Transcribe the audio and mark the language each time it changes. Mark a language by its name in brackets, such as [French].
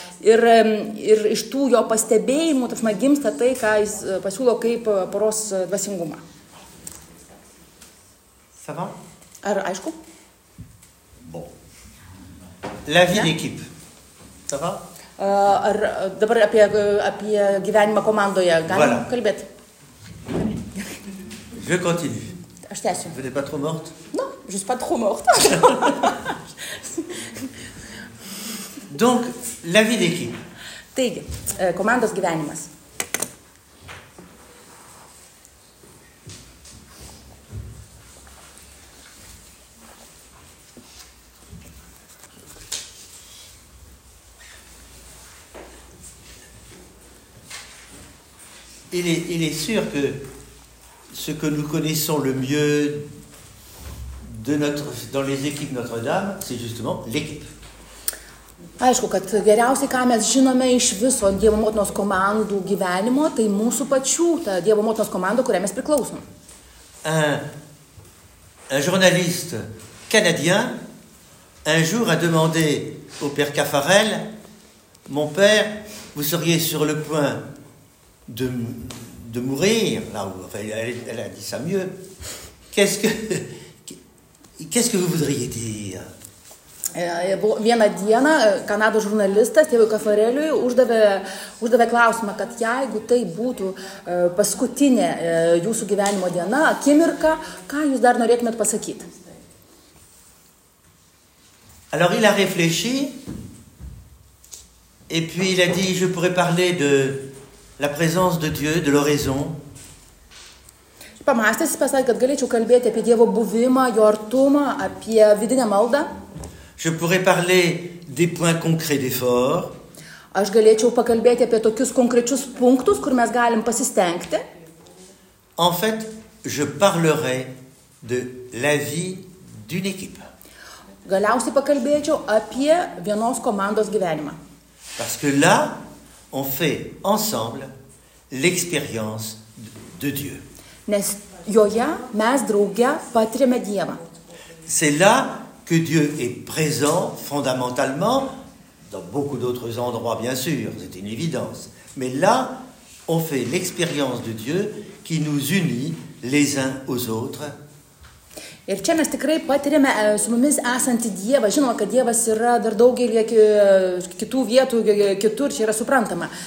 [Lithuanian] Ir, ir iš tų jo pastebėjimų tas man gimsta tai, ką jis pasiūlo kaip poros dvasingumą. [French] Ça va? [Lithuanian] Ar aišku? [French] Bon. La vie d'équipe. Ça va? [Lithuanian] Ar dabar apie, apie gyvenimą komandoje galim [French] voilà. [Lithuanian] Kalbėti? [French] Je continue. Je t'assure. Vous n'êtes pas trop morte ? Non, je ne suis pas trop morte. Donc, la vie d'équipe. [Lithuanian] Taigi, komandos gyvenimas. [French] Il est sûr que ce que nous connaissons le mieux dans les équipes Notre-Dame, c'est justement l'équipe. [Lithuanian] Aišku, kad geriausiai, ką mes žinome iš viso Dievo motinos komandų gyvenimo, tai mūsų pačių, ta Dievo motinos komanda, kuriai mes priklausom. [French] Un journaliste canadien un jour a demandé au père Caffarel, mon père, vous seriez sur le point de mourir, là où, enfin, elle a dit ça mieux, qu'est-ce que vous voudriez dire? [Lithuanian] Vieną dieną Kanados žurnalistas tėvui Kafareliui uždavė klausimą, kad jeigu tai būtų paskutinė jūsų gyvenimo diena, akimirka, ką jūs dar norėtumėt pasakyti? [French] Alors il a réfléchi et puis il a dit je pourrais parler de la présence de Dieu, de l'oraison. [Lithuanian] Pamąstęs, jis pasakė, kad galėčiau kalbėti apie Dievo buvimą, jo artumą, apie vidinę maldą. [French] Je pourrais parler des points concrets d'effort. [Lithuanian] Aš galėčiau pakalbėti apie tokius konkrečius punktus, kur mes galim pasistengti. [French] En fait, je parlerai de la vie d'une équipe. [Lithuanian] Galiausiai pakalbėčiau apie vienos komandos gyvenimą. [French] Parce que là, on fait ensemble l'expérience de Dieu. [Lithuanian] Nes joje mes drauge patiriame Dievą. [French] C'est là que Dieu est présent fondamentalement, dans beaucoup d'autres endroits bien sûr, c'est une évidence, mais là, on fait l'expérience de Dieu qui nous unit les uns aux autres. [Lithuanian] Ir čia mes tikrai patiriame su mumis esantį Dievą. Žinoma, kad Dievas yra dar daugelį kitų vietų, kitur, čia yra suprantama.